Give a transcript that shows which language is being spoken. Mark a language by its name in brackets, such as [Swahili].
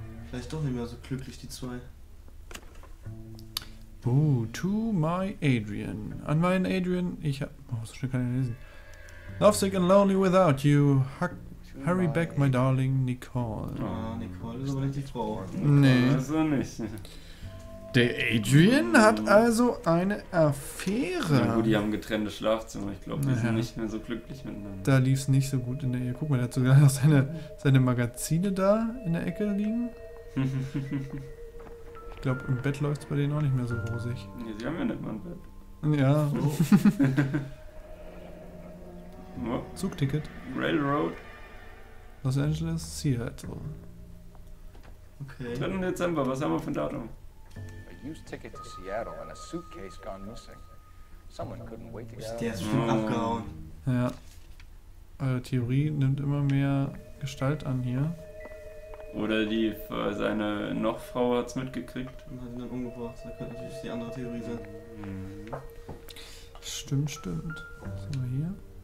[German] Vielleicht doch nicht mehr so glücklich, die zwei. [English] Oh, to my Adrian. [German] An meinen Adrian, ich hab. Oh, so schnell kann ich lesen. [English] Lovesick and lonely without you. Hurry back, my darling Nicole. [German] Ah, Nicole ist aber nicht die Frau. Nee. Also nicht. Der Adrian hat also eine Affäre. Ja, gut, die haben getrennte Schlafzimmer. Ich glaube, die sind nicht mehr so glücklich miteinander. Da lief es nicht so gut in der Ehe. Guck mal, der hat sogar noch seine Magazine da in der Ecke liegen. Ich glaube, im Bett läuft es bei denen auch nicht mehr so rosig. Nee, sie haben ja nicht mal ein Bett. Ja. Oh. Zugticket. [English] Railroad. Los Angeles, Seattle. Okay. 3. [German] Dezember, was haben wir für ein Datum? [English] Used ticket to Seattle and a suitcase gone missing. Someone couldn't wait to get out. [German] Der ist schon abgehauen. Ja. Eure Theorie nimmt immer mehr Gestalt an hier. Oder die für seine Nochfrau hat's mitgekriegt. Und hat ihn dann umgebracht. Da könnte natürlich die andere Theorie sein. Mhm. Stimmt, stimmt. Was haben wir hier?